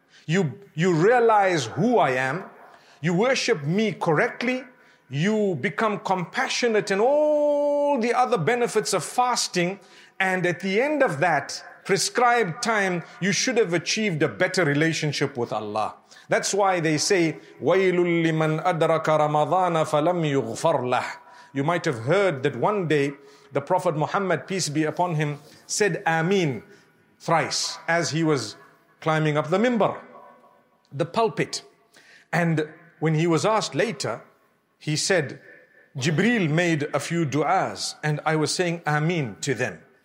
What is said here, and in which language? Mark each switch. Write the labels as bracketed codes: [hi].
[en] You realize who I am. You worship me correctly. You become compassionate and all the other benefits of fasting. And at the end of that prescribed time, you should have achieved a better relationship with Allah. That's why they say, [ar] وَيْلٌ لِّمَنْ أَدْرَكَ رَمَضَانَ فَلَمْ يُغْفَرْ لَهُ. [en] You might have heard that one day the Prophet Muhammad, peace be upon him, said Ameen thrice as he was climbing up the minbar, the pulpit. And when he was asked later, he said, Jibreel made a few du'as and I was saying Ameen to them.